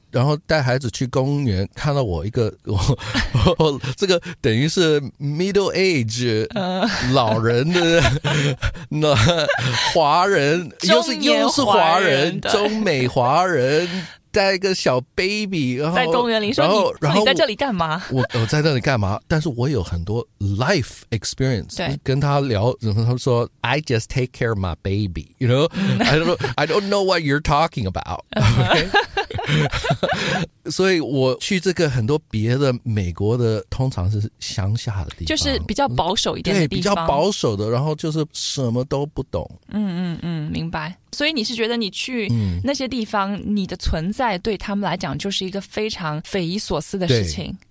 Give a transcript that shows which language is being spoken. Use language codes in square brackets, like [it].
[zh] 然后带孩子去公园，看到我一个我这个等于是 [en] middle age [zh] 老人的那华人，又是华人，中美华人带一个小 baby， 然后在公园里说然后你在这里干嘛？我在这里干嘛？但是我有很多 [en] life experience， [zh] 跟他聊，然后他说 [en] I just take care of my baby， you know， I don't know what you're talking about。 [zh] 所以我去这个很多别的美国的通常是乡下的地方，就是比较保守一点的地方，对，比较保守的，然后就是什么都不懂。明白。所以你是觉得你去那些地方，你的存在对他们来讲就是一个非常匪夷所思的事情。